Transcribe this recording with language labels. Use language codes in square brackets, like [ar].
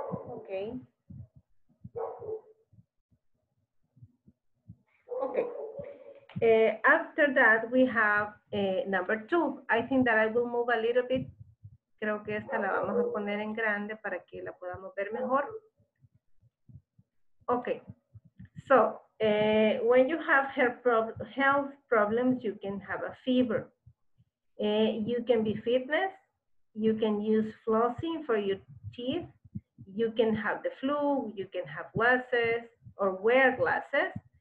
[en] Okay. Okay. After that, we have number two. I think that I will move a little bit. [es] Creo que esta la vamos a poner en grande para que la podamos ver mejor. [en] Okay. So, when you have health problems, you can have a fever. You can be fitness. You can use flossing for your teeth. You can have the flu. You can have glasses or wear glasses.